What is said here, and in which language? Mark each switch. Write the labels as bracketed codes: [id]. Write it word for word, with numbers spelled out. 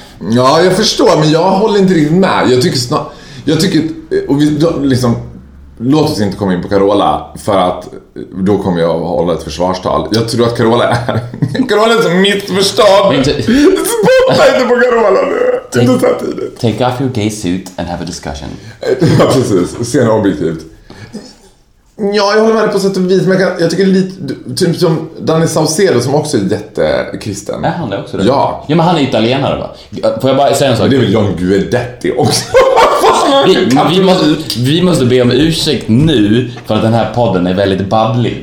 [sv] Ja, jag förstår, men jag håller inte riktigt med. Jag tycker snart, jag tycker, och vi, liksom... Låt oss inte komma in på Carola för att då kommer jag att hålla ett försvarstal. Jag tror att Carola är Carola är som mitt förstånd. Spotta inte på Carola nu. [en] Take, take off your gay suit and have a discussion. [sv] Ja, precis. Sen objektivt. Ja, jag håller med dig på sätt och vis. Men jag, kan, jag tycker lite typ som Danny Saucedo som också är jättekristen. Är han det också? Ja. Ja, ja, men han är italienare, va? Får jag bara säga en sak? Det är väl John Guidetti också. Vi, vi, måste, vi måste be om ursäkt nu för att den här podden är väldigt babblig.